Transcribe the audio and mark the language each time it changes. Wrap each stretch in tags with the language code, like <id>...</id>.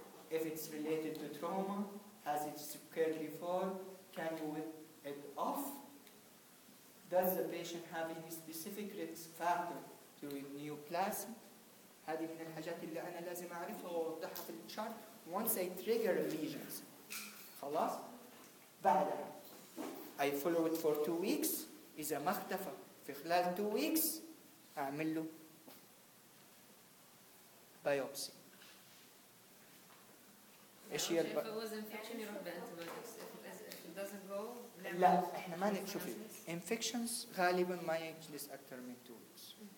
<en>If it's related to trauma, has it occurred before? Can you whip it off? does the patient have any specific risk factor to neoplasm?</en> <ar>هذه من الحاجات اللي أنا لازم أعرفها ووضحها في الشارت.</ar> <en>Once I trigger lesions,</en> <ar>خلاص. بعد</ar> <en>I follow it for 2 weeks.</en> <ar>إذا ما اختفى في خلال 2 weeks أعمل له biopsy. إيش هي؟</ar> <en>if it was infection you don't antibiotics. If it doesn't go.</en> <ar>لا إحنا ما نشوف infections غالبا ما يجلس أكثر من 2 weeks.</ar>